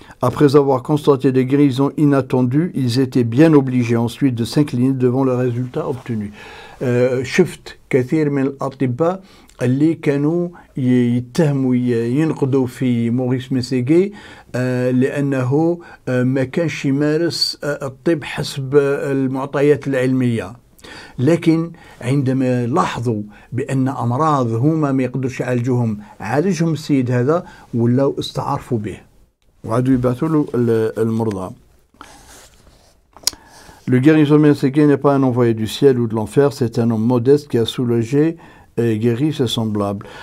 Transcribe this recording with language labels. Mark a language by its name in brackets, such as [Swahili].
[French] Après avoir constaté des guérisons inattendues, ils étaient bien obligés ensuite de s'incliner devant le résultat obtenu. [Arabic] شفت كثير من الأطباء اللي كانوا يتهموا ينقدوا في موريس ميسيغي لأنه ما كانش يمارس الطب حسب المعطيات العلمية. لكن عندما لاحظوا بأن أمراض هما ما يقدرش يعالجوهم عالجهم السيد هذا ولو استعرفوا به. وعادوا يبعثوا له المرضى. [French] Le guérisseur Meségué n'est pas un envoyé du ciel ou de l'enfer, c'est un homme modeste qui a soulagé et guéri ses semblables.